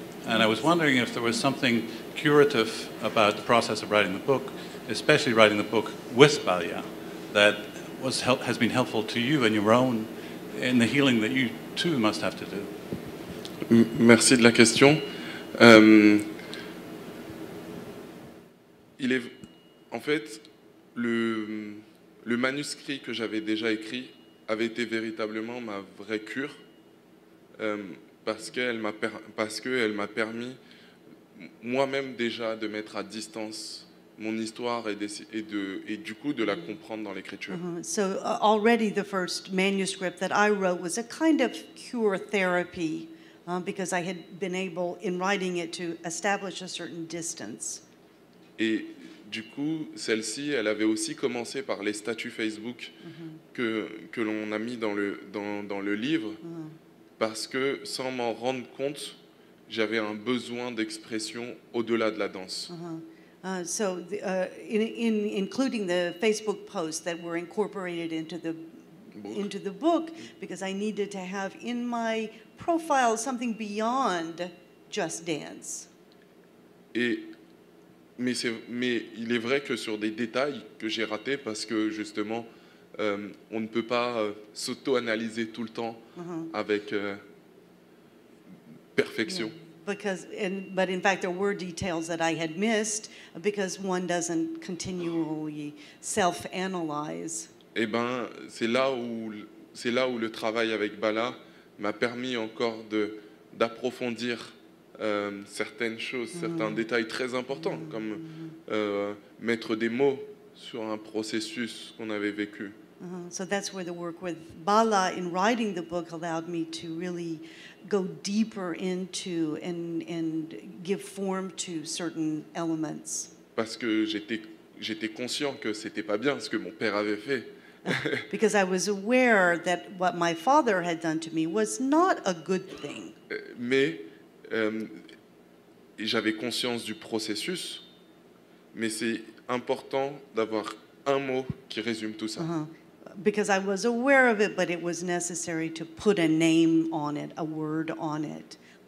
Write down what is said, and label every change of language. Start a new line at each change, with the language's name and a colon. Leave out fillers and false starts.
English: And I was wondering if there was something curative about the process of writing the book, especially writing the book with Balia, that has been helpful to you and your own in the healing that you too must have to do.
French: Merci de la question. Il est, en fait, le manuscrit que j'avais déjà écrit avait été véritablement ma vraie cure, parce qu'elle m'a permis moi-même déjà de mettre à distance mon histoire et du coup de la comprendre dans l'écriture. Uh-huh.
English: So already the first manuscript that I wrote was a kind of cure therapy, because I had been able in writing it to establish a certain distance.
French: Et du coup, celle-ci, elle avait aussi commencé par les statuts Facebook que l'on a mis dans le livre, parce que sans m'en rendre compte, j'avais un besoin d'expression au-delà de la danse.
English: Including the Facebook posts that were incorporated into the book, because I needed to have in my profile something beyond just dance.
French: Mais il est vrai que sur des détails que j'ai ratés, parce que justement, on ne peut pas s'auto-analyser tout le temps avec perfection.
English: Yeah. But in fact, there were details that I had missed, because one doesn't continually self-analyze.
French: Eh bien, c'est là où le travail avec Bala m'a permis encore d'approfondir certaines choses, certains détails très importants, comme mettre des mots sur un processus qu'on avait vécu.
English: So that's where the work with Bala in writing the book allowed me to really go deeper into and give form to certain elements.
French: Parce que j'étais conscient que c'était pas bien ce que mon père avait fait.
English: Because I was aware that what my father had done to me was not a good thing.
French: Mais et j'avais conscience du processus, mais c'est important d'avoir un mot qui résume tout ça.
English: Because I was aware of it, but it was necessary to put a name on it, a word on it.